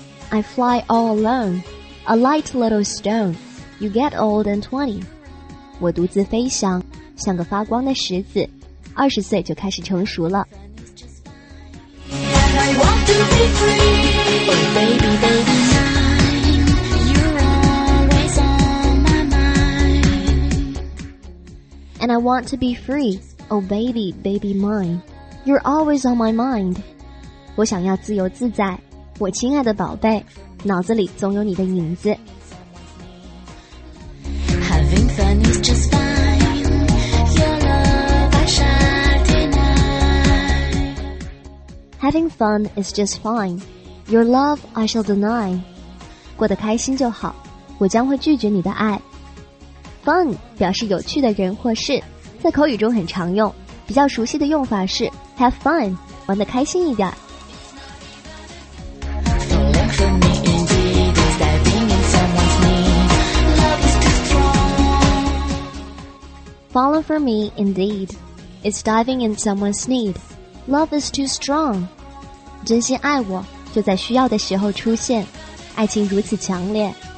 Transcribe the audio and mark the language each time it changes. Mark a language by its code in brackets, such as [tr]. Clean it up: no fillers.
[en] I fly all alone, a light little stone, you get old and 20. [zh] 我独自飞翔，像个发光的石子，二十岁就开始成熟了。 [en] And I want to be free, oh baby, baby. And I want to be free, oh baby, baby mine. You're always on my mind. [zh] 我想要自由自在，我亲爱的宝贝，脑子里总有你的影子。 [en] Having fun is just fine. Your love I shan't deny. Having fun is just fine. Your love I shall deny. [zh] 过得开心就好，我将会拒绝你的爱。Fun 表示有趣的人或事，在口语中很常用，比较熟悉的用法是 Have fun, 玩得开心一点。 [en] Fallen for me indeed, it's diving in someone's need. Love is too strong. [zh] 真心爱我，就在需要的时候出现，爱情如此强烈。